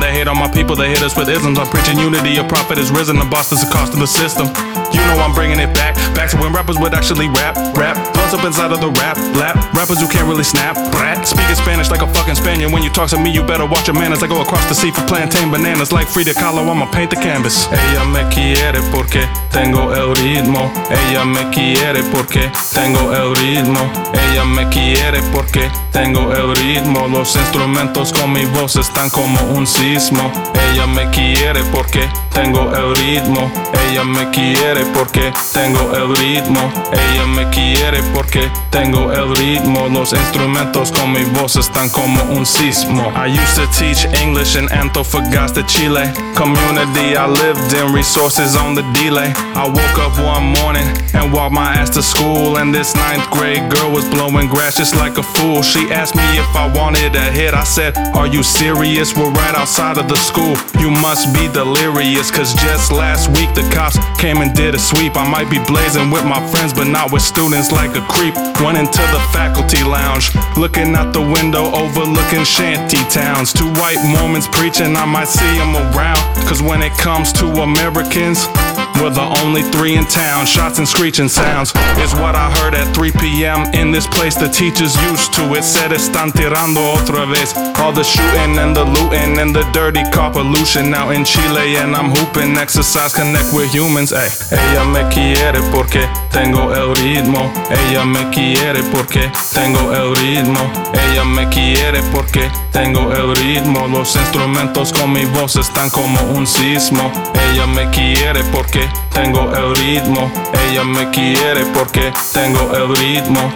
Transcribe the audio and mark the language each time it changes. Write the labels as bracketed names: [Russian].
[English] They hate on my people, they hit us with isms. I'm preaching unity, a prophet is risen. The boss is a cost of the system. You know I'm bringing it back, back to when rappers would actually rap. Rap blows up inside of the rap lap. Rappers who can't really snap, brat. Speaking Spanish like a fucking Spaniard. When you talk to me, you better watch your manners. I go across the sea for plantain bananas. Like Frida Kahlo, I'ma paint the canvas. [Spanish] Ella me quiere porque tengo el ritmo. Ella me quiere porque tengo el ritmo. Ella me quiere porque tengo el ritmo. Los instrumentos con mi voz están como un sismo. Ella me quiere porque tengo el ritmo. Ella me quiere porque tengo el ritmo. Ella me quiere porque tengo el ritmo. Los instrumentos con mi voz están como un sismo. [English] I used to teach English in Antofagasta, Chile. Community I lived in, resources on the delay. I woke up one morning and walked my ass to school, and this ninth grade girl was blowing grass just like a fool. She asked me if I wanted a hit. I said, are you serious? We're right outside of the school. You must be delirious, cause just last week the cops came and did a sweep. I might be blazing with my friends, but not with students like a creep. Went into the faculty lounge, looking out the window, overlooking shanty towns. Two white Mormons preaching, I might see them around. Cause when it comes to Americans, we're the only three in town. Shots and screeching sounds is what I heard at 3 p.m. in this place. The teachers used to it, said [Spanish] están tirando otra vez. [English] All the shooting and the looting and the dirty car pollution. Now in Chile and I'm hooping, exercise, connect with humans. Ay. [Spanish] Ella me quiere porque tengo el ritmo. Ella me quiere porque tengo el ritmo. Ella me quiere porque tengo el ritmo. Los instrumentos con mi voz están como un sismo. Ella me quiere porque tengo el ritmo. Ella me quiere porque tengo el ritmo.